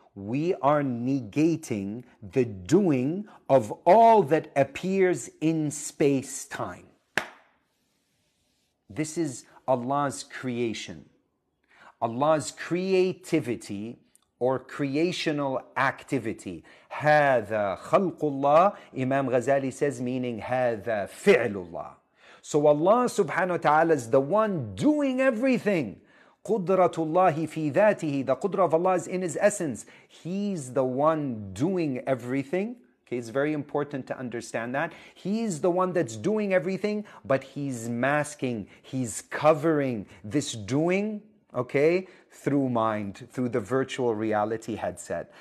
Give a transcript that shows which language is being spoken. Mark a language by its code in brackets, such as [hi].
[en] We are negating the doing of all that appears in space-time. This is Allah's creation. Allah's creativity or creational activity. [ar] هَذَا خَلْقُ اللَّهِ, [en] Imam Ghazali says, meaning [ar] هَذَا فِعْلُ اللَّهِ. [en] So Allah subhanahu wa ta'ala is the one doing everything. [ar] قُدْرَةُ اللَّهِ فِي ذَاتِهِ. [en] The Qudra of Allah is in His essence. He's the one doing everything. Okay, it's very important to understand that. He's the one that's doing everything, but he's masking, he's covering this doing, okay, through mind, through the virtual reality headset.